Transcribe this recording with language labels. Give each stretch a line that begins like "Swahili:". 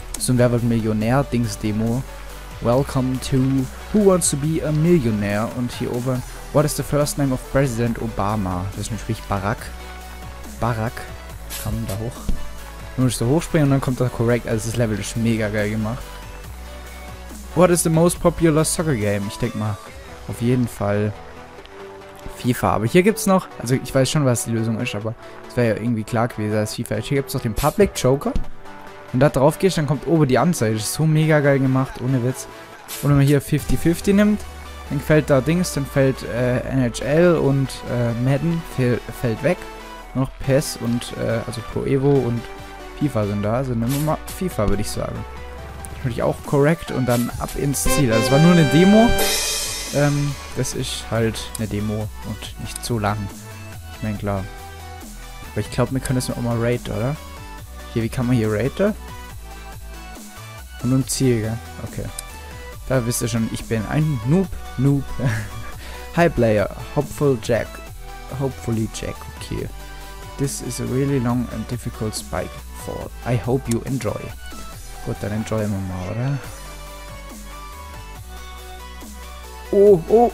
German: So ein Wer wird Millionär-Dings-Demo.
English: Welcome to Who Wants to be a Millionaire?
German: Und hier oben,
English: What is the first name of President Obama?
German: Das ist natürlich Barack. Barack. Komm da hoch. Du musst so hochspringen und dann kommt das korrekt. Also das Level ist mega geil gemacht.
English: What is the most popular soccer game?
German: Ich denke mal, auf jeden Fall FIFA. Aber hier gibt es noch, also ich weiß schon, was die Lösung ist, aber es wäre ja irgendwie klar gewesen, dass FIFA ist. Hier gibt es noch den Public Joker. Und da drauf gehst, dann kommt oben die Anzeige. So mega geil gemacht, ohne Witz. Und wenn man hier 50-50 nimmt, dann fällt da Dings, dann fällt NHL und Madden fällt weg. Noch PES und also Pro Evo und FIFA sind da. Also nehmen wir mal FIFA, würde ich sagen. Natürlich auch korrekt und dann ab ins Ziel. Also es war nur eine Demo. Das ist halt eine Demo und nicht so lang. Ich meine, klar. Aber ich glaube, wir können das auch mal Raid, oder? Hier, wie kann man hier Raider? Und nun Ziel, gell? Okay. Da wisst ihr schon, ich bin ein Noob.
English: Hi Player, Hopefully Jack. Okay. This is a really long and difficult spike fall. I hope you enjoy.
German: Gut, dann enjoyen wir mal, oder?